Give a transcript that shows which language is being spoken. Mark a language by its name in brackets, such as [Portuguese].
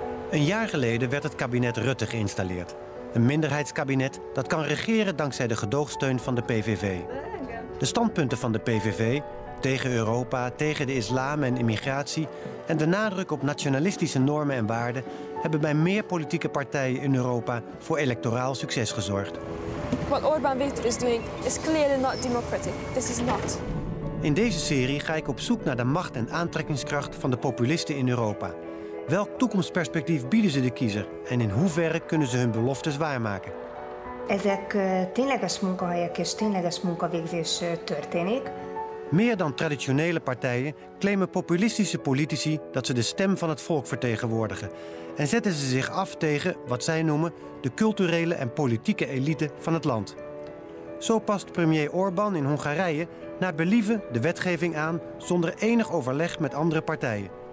[Dutch] Een jaar geleden werd het kabinet Rutte geïnstalleerd. Een minderheidskabinet dat kan regeren dankzij de gedoogsteun van de PVV. De standpunten van de PVV, tegen Europa, tegen de islam en immigratie en de nadruk op nationalistische normen en waarden, hebben bij meer politieke partijen in Europa voor electoraal succes gezorgd. [English] Wat Orbán is doing is clearly not democratic. This is not. [Dutch] In deze serie ga ik op zoek naar de macht en aantrekkingskracht van de populisten in Europa. Welk toekomstperspectief bieden ze de kiezer en in hoeverre kunnen ze hun beloftes waarmaken? [Hungarian] Ezek tényleges munkahelyek és tényleges munkavégzés történik. [Dutch] Meer dan traditionele partijen claimen populistische politici dat ze de stem van het volk vertegenwoordigen en zetten ze zich af tegen wat zij noemen de culturele en politieke elite van het land. Zo past premier Orbán in Hongarije naar believen de wetgeving aan zonder enig overleg met andere partijen.